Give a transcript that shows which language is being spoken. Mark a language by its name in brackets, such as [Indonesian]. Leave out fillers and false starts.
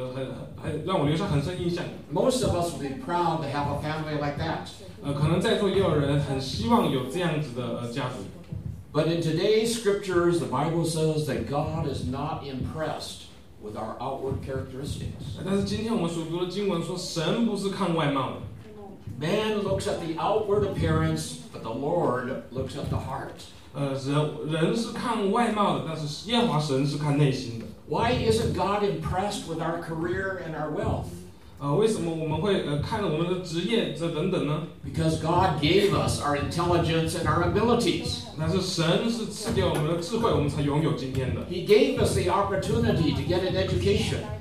[Chinese] 所以呢，对我来说，他们的家族的职业就是让我留下很深印象。 [English] Most of us would be proud to have a family like that. [Chinese] 可能在座也有人很希望有这样子的家族。 [English] But in today's scriptures, the Bible says that God is not impressed with our outward characteristics. [Chinese] 但是今天我们所读的经文说，神不是看外貌的。 [English] Man looks at the outward appearance, but the Lord looks at the heart. [Chinese] 人是看外貌的，但是耶和华神是看内心的。 [English] Why isn't God impressed with our career and our wealth? [Chinese] 为什么我们会看我们的职业这等等呢？ [English] Because God gave us our intelligence and our abilities. [Chinese] 但是神是赐给我们的智慧，我们才拥有今天的。 [English] He gave us the opportunity to get an education.